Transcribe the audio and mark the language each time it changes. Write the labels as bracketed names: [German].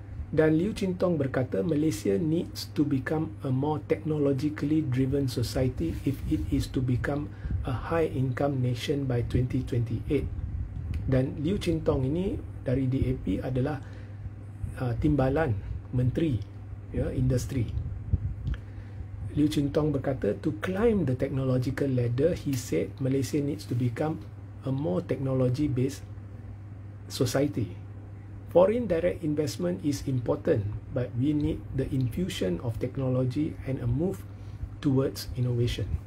[Malay] Dan Liu Chin Tong berkata, [English] Malaysia needs to become a more technologically driven society if it is to become a high income nation by 2028. [Malay] Dan Liu Chin Tong ini dari DAP adalah timbalan menteri, ya, industri. Liu Chin Tong berkata, [English] to climb the technological ladder, he said, Malaysia needs to become a more technology-based society. Foreign direct investment is important, but we need the infusion of technology and a move towards innovation.